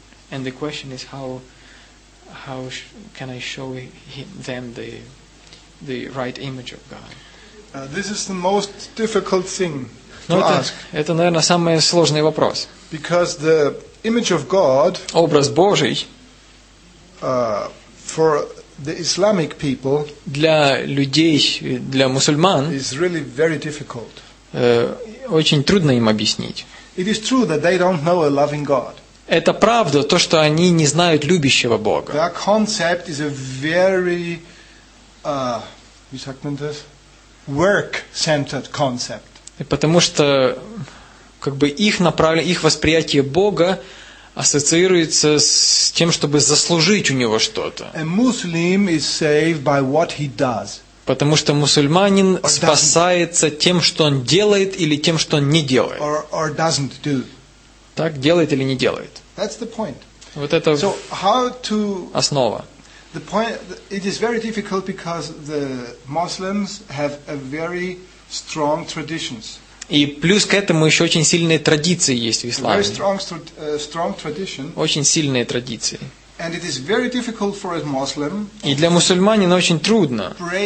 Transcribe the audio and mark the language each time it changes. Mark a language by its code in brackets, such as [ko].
[en] And the question is how can I show them the right image of God? This is the most difficult thing to ask. [ru] Это, наверное, самый сложный вопрос. [en] Because the image of God, [ru] образ Божий, [en] for the Islamic people, [ru] для людей, для мусульман, [en] is really very difficult. [ru] Очень трудно им объяснить. [en] It is true that they don't know a loving God. [ru] Это правда, то, что они не знают любящего Бога. [en] Their concept is a very, [de] wie sagt man das? [en] Work-centered concept. [ru] Потому что как бы их восприятие Бога ассоциируется с тем, чтобы заслужить у него что-то. [en] A Muslim is saved by what he does. [ru] Потому что мусульманин спасается тем, что он делает или тем, что он не делает. [en] Or doesn't do. [ru] Так, делает или не делает. [en] That's the point. [ru] Вот это [en] so, how to... [ru] основа. [en] The point, it is very difficult because the Muslims have a very strong traditions. [ru] И плюс к этому еще очень сильные традиции есть в исламе. [en] Very strong, strong tradition. [ru] Очень сильные традиции. [en] And it is very difficult for a Muslim. [ru] И для мусульманина очень трудно.